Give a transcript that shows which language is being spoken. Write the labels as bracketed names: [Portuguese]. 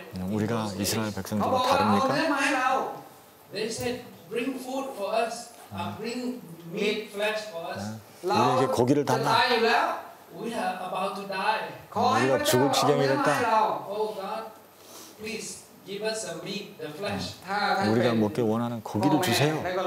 [Korean] 우리가 이스라엘 백성들과 다릅니까? [English] They said, bring food for us. Bring meat, flesh for us. [Korean] 우리에게 고기를 달라. [English] We are about to die. [Korean] 우리가 죽을 지경이 됐다. [English] Oh God, please give us a meat, the flesh. [Korean] 우리가 먹기 원하는 고기를 주세요.